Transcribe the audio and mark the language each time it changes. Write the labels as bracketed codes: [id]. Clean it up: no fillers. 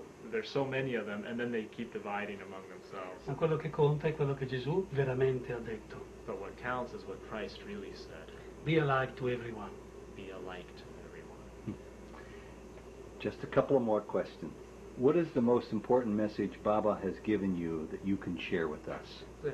[en] There's so many of them, and then they keep dividing among themselves. [it] Ma quello che conta è quello che Gesù veramente ha detto. [en] But what counts is what Christ really said. Be alike to everyone. Be alike to everyone. Just a couple of more questions. What is the most important message Baba has given you that you can share with us?